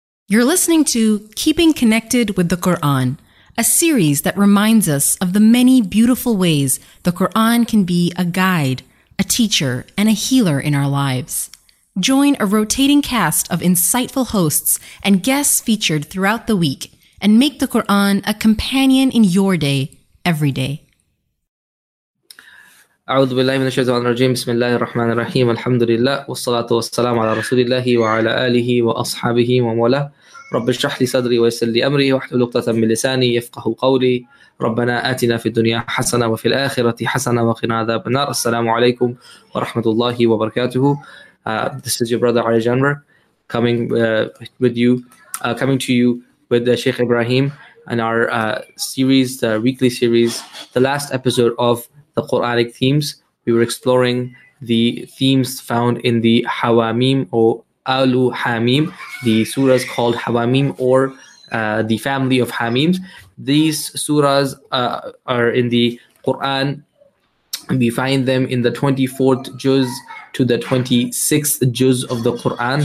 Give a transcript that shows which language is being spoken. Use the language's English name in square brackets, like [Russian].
[English] You're listening to Keeping Connected with the Quran, a series that reminds us of the many beautiful ways the Quran can be a guide, a teacher, and a healer in our lives. Join a rotating cast of insightful hosts and guests featured throughout the week and make the Quran a companion in your day, every day. [Arabic] أعوذ بالله من الشيطان الرجيم بسم الله الرحمن الرحيم الحمد لله والصلاة والسلام على رسول الله وعلى آله وأصحابه ومولاه رب اشرح لي صدري ويسر لي أمري واحلل عقدة من لساني يفقه قولي ربنا آتنا في الدنيا حسنة وفي الآخرة حسنة وقنا عذاب النار السلام عليكم ورحمة الله وبركاته [English] This is your brother Ali Janwar coming with Sheikh Ibrahim and our series, the weekly series, the last episode of the Quranic themes. We were exploring the themes found in the Hawamim or Alu Hamim, the surahs called Hawamim or the family of Hamims. These surahs are in the Quran. We find them in the 24th juz to the 26th juz of the Quran.